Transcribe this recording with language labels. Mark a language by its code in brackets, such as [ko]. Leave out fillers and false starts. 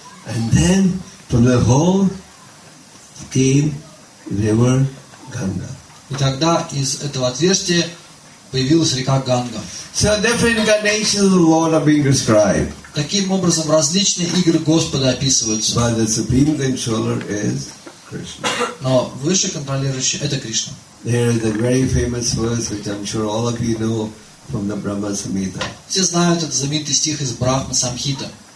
[en] And then from the hole came river Ganga. [ru] И тогда из этого отверстия появилась река Ганга. [en] So different incarnations of the Lord are being described. [ru] Таким образом различные игры Господа описываются. [en] But the supreme controller is Krishna. [ru] Но высший контролирующий это Кришна. [en] There is a very famous verse which I'm sure all of you know from the Brahma Samhita. [ru] Все знают этот знаменитый стих из Брахма Самхита.